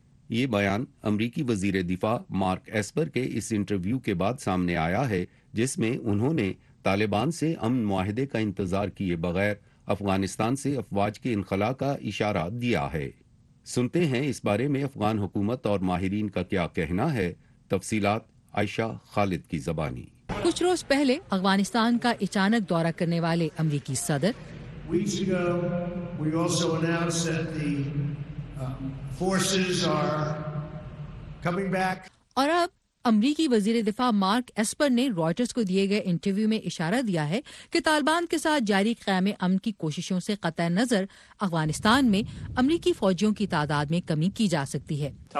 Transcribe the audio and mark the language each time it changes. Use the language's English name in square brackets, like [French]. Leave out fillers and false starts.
[Urdu] یہ بیان امریکی وزیر دفاع مارک ایسپر کے اس انٹرویو کے بعد سامنے آیا ہے جس میں انہوں نے طالبان سے امن معاہدے کا انتظار کیے بغیر افغانستان سے افواج کے انخلا کا اشارہ دیا ہے. سنتے ہیں اس بارے میں افغان حکومت اور ماہرین کا کیا کہنا ہے. تفصیلات عائشہ خالد کی زبانی. کچھ روز پہلے افغانستان کا اچانک دورہ کرنے والے امریکی صدر [English] Weeks ago, we also announced that the forces are coming back. [Urdu] اور اب امریکی وزیر دفاع مارک ایسپر نے رائٹرز کو دیے گئے انٹرویو میں اشارہ دیا ہے کہ طالبان کے ساتھ جاری قیام امن کی کوششوں سے قطع نظر افغانستان میں امریکی فوجیوں کی تعداد میں کمی کی جا سکتی ہے.